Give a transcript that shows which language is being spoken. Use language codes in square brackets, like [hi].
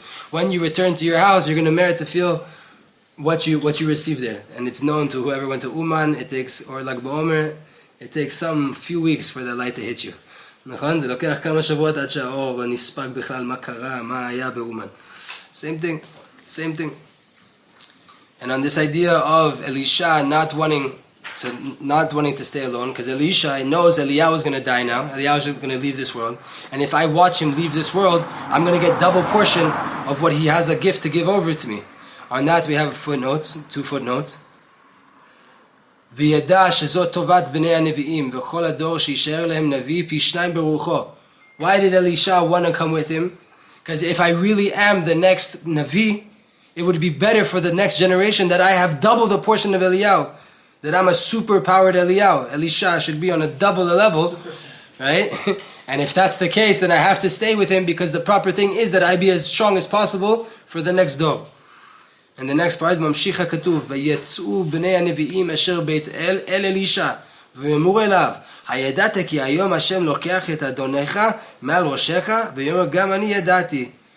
[en] When you return to your house, you're going to merit to feel what you receive there. And it's known to whoever went to Uman, it takes, or Lag BaOmer, it takes some few weeks for the light to hit you. [he] נכון? זה לוקח כמה שבועות עד שהאור נספג בכלל מה קרה, מה היה באומן. [en] Same thing. And on this idea of Elisha not wanting to stay alone, because Elisha knows Eliyahu is going to die now, Eliyahu is going to leave this world, and if I watch him leave this world, I'm going to get double portion of what he has a gift to give over to me. On that we have two footnotes. [he] וידע שזאת טובת בני הנביאים וכל הדור שישאר להם נביא פי שניים ברוחו. [en] Why did Elisha want to come with him? Because if I really am the next Navi, it would be better for the next generation that I have double the portion of Eliyahu. That I'm a super-powered Eliyahu. Elisha should be on a double the level, right? And if that's the case, then I have to stay with him because the proper thing is that I be as strong as possible for the next dor. And the next part, [he] ממשיך הכתוב, ויצאו בני הנביאים אשר בית אל, אל אלישה, ויאמור אליו, הידעת כי היום השם לוקח את אדונך מעל ראשך, ויאמר גם אני ידעתי.